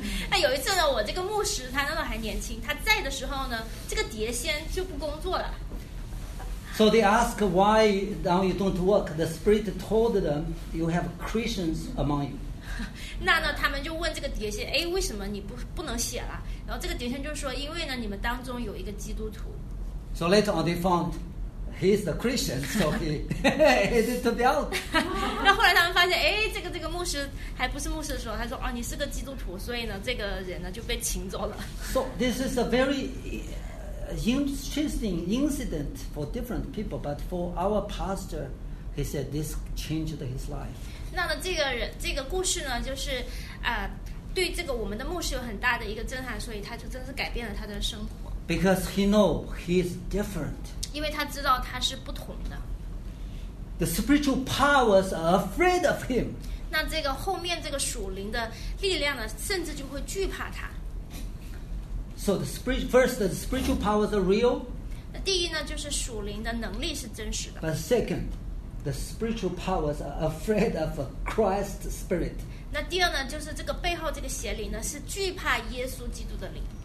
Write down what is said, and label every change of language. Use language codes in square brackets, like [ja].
[zh] 那有一次呢，我这个牧师他那时候还年轻，他在的时候呢，这个碟仙就不工作了。 [en] So they ask why now you don't work. The spirit told them you have Christians among you. [zh] 那呢，他们就问这个碟仙，哎，为什么你不能写了？然后这个碟仙就说，因为呢，你们当中有一个基督徒。 [en] So later on, they found. He's a Christian, so he is to be out. [zh] 那后来他们发现，哎，这个牧师还不是牧师的时候，他说，哦，你是个基督徒，所以呢，这个人呢就被请走了。 [en] So this is a very interesting incident for different people, but for our pastor, he said this changed his life. [zh] 那呢，这个故事呢，就是对这个我们的牧师有很大的一个震撼，所以他就真的是改变了他的生活。 [en] Because he know he's different. [zh] 因为他知道他是不同的。 [en] The spiritual powers are afraid of him. [zh] 那这个后面这个属灵的力量呢，甚至就会惧怕他。 [en] So the first, the spiritual powers are real. [zh] 那第一呢，就是属灵的能力是真实的。 [en] But second, the spiritual powers are afraid of Christ's spirit. [zh] 那第二呢，就是这个背后这个邪灵呢，是惧怕耶稣基督的灵。